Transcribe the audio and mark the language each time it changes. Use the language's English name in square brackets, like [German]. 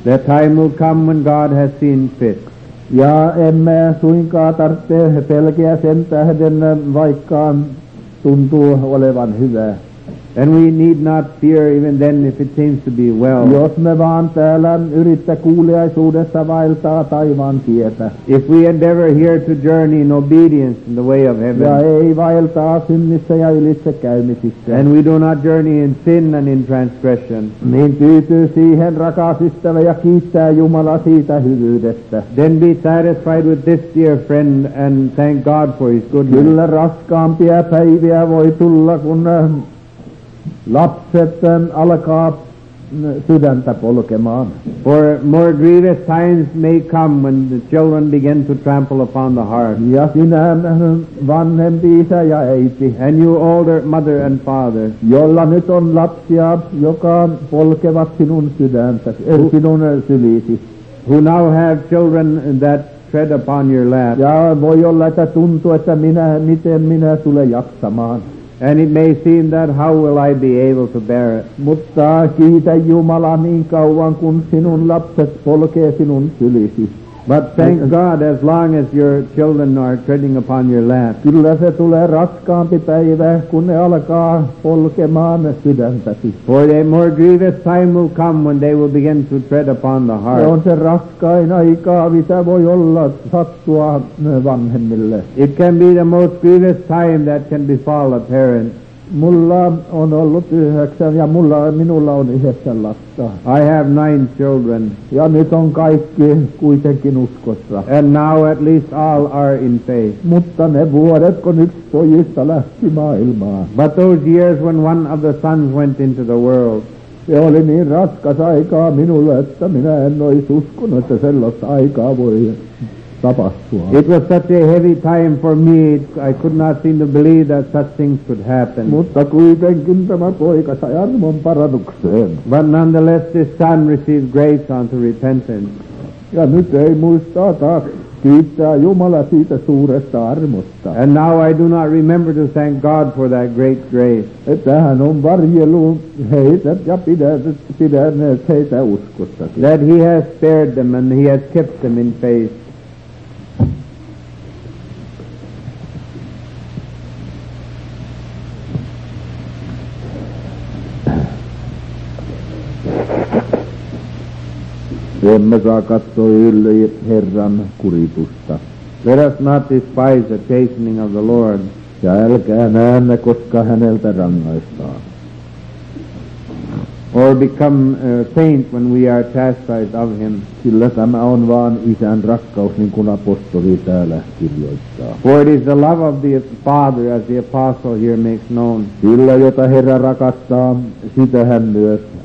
[English] That time will come when God has seen fit. [Finnish] Ja emme suinkaan tarvitse pelkeä sen tähden, vaikka tuntuu olevan hyvä. [English] then we need not fear even then if it seems to be well. [Finnish] Jos me vaan täällä yrittä kuuliaisuudessa vaeltaa taivaan tietä. [English] If we endeavor here to journey in obedience in the way of heaven. [Finnish] Ja ei vaeltaa synnissä ja ylitse käymisissä. [English] And we do not journey in sin and in transgression. [Finnish] Niin tyytyy siihen, rakas ystävä, ja kiittää Jumala siitä hyvyydestä. [English] Then be satisfied with this dear friend and thank God for his goodness. [Finnish] Kyllä raskaampia päiviä voi tulla, kun lapset alkaa sydäntä polkemaan. [English] For more grievous times may come when the children begin to trample upon the heart. [Finnish] Ja sinä vanhempi isä ja äiti. [English] And you older mother and father. [Finnish] Jolla nyt on lapsia, jotka polkevat sinun sydäntä, sinun syliisi. [English] Who now have children that tread upon your lap. [Finnish] Ja voi olla, että tuntuu, että miten minä tulen jaksamaan. [English] And it may seem that how will I be able to bear it? [Finnish] Mutta kiitä Jumala niin kauan kun sinun lapset polkee sinun sylisi. [English] But thank God as long as your children are treading upon your lap. [Finnish] Kyllä se tulee raskaampi päivä kun ne alkaa polkemaan sydäntäsi. [English] For a more grievous time will come when they will begin to tread upon the heart. [Finnish] On se raskain aika, mitä voi olla sattua vanhemmille. [English] It can be the most grievous time that can befall a parent. [Finnish] Mulla on ollut 9 ja minulla on 9 lasta. [English] I have 9 children. [Finnish] Ja nyt on kaikki kuitenkin uskossa. [English] And now at least all are in faith. [Finnish] Mutta ne vuodet, kun yksi pojista lähti maailmaan. [English] But those years when one of the sons went into the world. [Finnish] Se oli niin raskas aikaa minulle, että minä en olisi uskonut, että sellaista aikaa voi tapahtua. [English] It was such a heavy time for me, I could not seem to believe that such things could happen. [Finnish] Mutta kuitenkin tämä poika sai armon parannukseen. [English] But nonetheless, this son received grace unto repentance. [Finnish] Ja nyt ei muista taas kiittää Jumala siitä suuresta armosta. [English] And now I do not remember to thank God for that great grace. [Finnish] Että hän on varjellut heitä ja pidänyt heitä uskossa. [English] That he has spared them and he has kept them in faith. [Finnish] Emme saa katsoa yllä Herran kuritusta. [English] Let us not despise the chastening of the Lord. [Finnish] Ja älkää näänne, koska häneltä rangaistaan. [English] Or become faint when we are chastised of him. [Finnish] Sillä tämä on vaan isän rakkaus, niin kuin apostoli täällä kirjoittaa. [English] For it is the love of the Father, as the apostle here makes known. [Finnish] Sillä, jota Herra rakastaa, sitä hän myös